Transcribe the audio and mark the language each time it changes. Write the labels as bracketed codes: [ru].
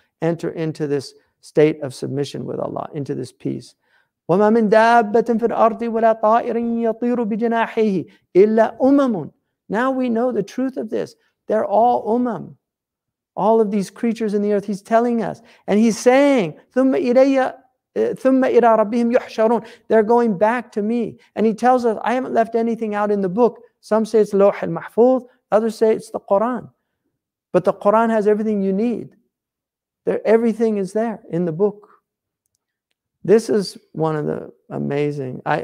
[en] Enter into this state of submission with Allah, into this peace. [ar] وَمَا مِنْ دَابَّةٍ فِي الْأَرْضِ وَلَا طَائِرٍ يَطِيرُ بِجِنَاحِهِ إِلَّا أُمَمٌ. [en] Now we know the truth of this. They're all umam. All of these creatures in the earth, he's telling us. And he's saying, [ar] ثُمَّ إِلَىٰ رَبِّهِمْ يُحْشَرُونَ. [en] They're going back to me. And he tells us, I haven't left anything out in the book. Some say it's Lawh al-Mahfuz. Others say it's the Qur'an. But the Qur'an has everything you need. Everything is there in the book. This is one of the amazing...